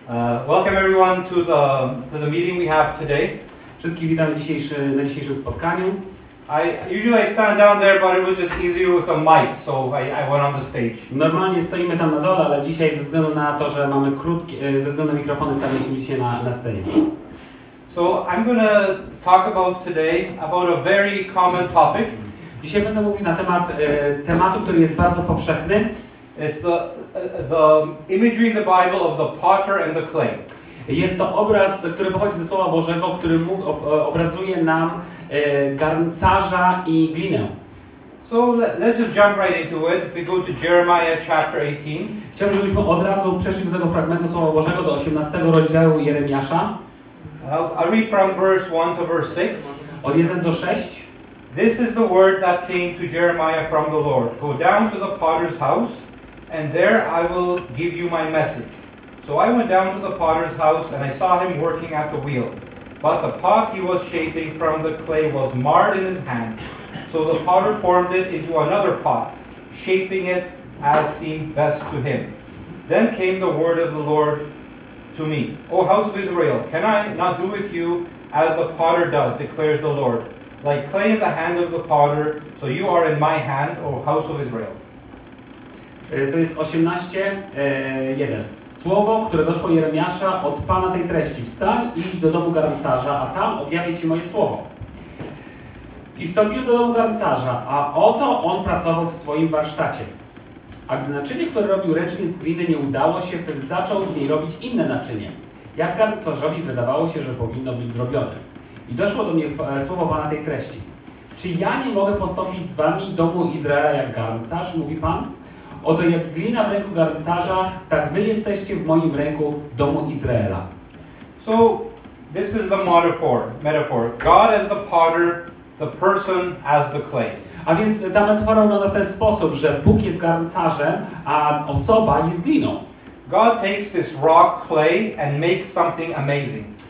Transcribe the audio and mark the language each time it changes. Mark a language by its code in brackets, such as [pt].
[en] Welcome everyone to the meeting we have today. [pl] Wszystkich witam na dzisiejszym spotkaniu. [en] Usually I stand down there, but it was just easier with a mic, so I went on the stage. [pl] Normalnie stoimy tam na dole, ale dzisiaj ze względu na to, że mamy ze względu na mikrofony, stawiliśmy się na scenie. [en] So I'm gonna talk about today about a very common topic. [pl] Dzisiaj będę mówił na tematu, który jest bardzo powszechny. [en] It's the imagery in the Bible of the potter and the clay. [pl] Jest to obraz, który pochodzi ze Słowa Bożego, który obrazuje nam garncarza i glinę. [en] So let's just jump right into it. If we go to Jeremiah chapter 18. [pl] Chciałbym, żebyśmy od razu przeszli do tego fragmentu Słowa Bożego, do 18 rozdziału Jeremiasza. [en] I'll read from verse 1 to verse 6. [pl] Od 1 do 6. [en] This is the word that came to Jeremiah from the Lord. Go down to the potter's house, and there I will give you my message. So I went down to the potter's house, and I saw him working at the wheel. But the pot he was shaping from the clay was marred in his hand. So the potter formed it into another pot, shaping it as seemed best to him. Then came the word of the Lord to me. O house of Israel, can I not do with you as the potter does, declares the Lord? Like clay in the hand of the potter, so you are in my hand, O house of Israel. [pl] To jest 18, 1. Słowo, które doszło Jeremiasza od Pana tej treści. Wstań i idź do domu garncarza, a tam objawię Ci moje słowo. I wstąpił do domu garncarza, a oto on pracował w swoim warsztacie. A gdy naczynie, które robił ręcznie z gliny, nie udało się, wtedy zaczął z niej robić inne naczynie, jak garncarzowi wydawało się, że powinno być zrobione. I doszło do mnie słowo Pana tej treści. Czy ja nie mogę postąpić z wami domu Izraela jak garncarz, mówi Pan? Oto jak glina w ręku garncarza, tak wy jesteście w moim ręku, domu Izraela. [en] So, this is the metaphor. God as the potter, the person as the clay. [pl] A więc ta metafora wygląda w ten sposób, że Bóg jest garncarzem, a osoba jest gliną. [en] God takes this rock clay and makes something amazing.